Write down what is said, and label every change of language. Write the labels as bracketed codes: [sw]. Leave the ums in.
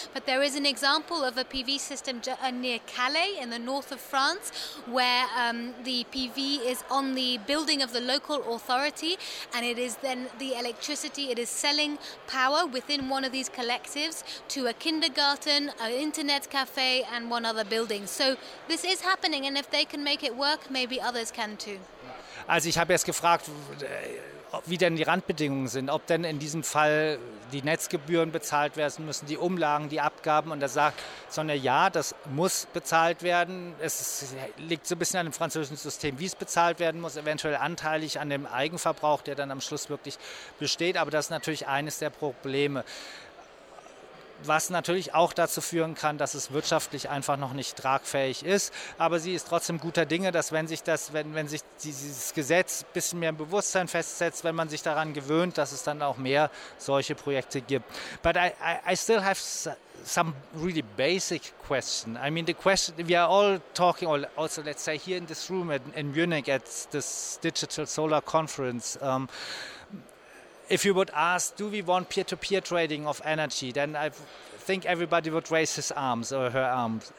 [en] But there is an example of a PV system near Calais in the north of France where um, the PV is on the building of the local authority and it is then the electricity, it is selling power within one of these collectives to a kindergarten, an internet cafe and one other building. So this is happening and if they can make it work, maybe others can too. [de] Also ich habe jetzt gefragt, wie denn die Randbedingungen sind, ob denn in diesem Fall die Netzgebühren bezahlt werden müssen, die Umlagen, die Abgaben und da sagt Sonja, ja, das muss bezahlt werden. Es liegt so ein bisschen an dem französischen System, wie es bezahlt werden muss, eventuell anteilig an dem Eigenverbrauch, der dann am Schluss wirklich besteht, aber das ist natürlich eines der Probleme was natürlich auch dazu führen kann, dass es wirtschaftlich einfach noch nicht tragfähig ist. Aber sie ist trotzdem guter Dinge, dass wenn sich das, wenn, wenn sich dieses Gesetz ein bisschen mehr im Bewusstsein festsetzt, wenn man sich daran gewöhnt, dass es dann auch mehr solche Projekte gibt. [en] But I, I, I still have some really basic question. I mean, the question we are all talking, or also let's say here in this room in, in Munich at this digital solar conference. Um, if you would ask, do we want peer-to-peer -peer trading of energy, then I think everybody would raise his arms or her arms.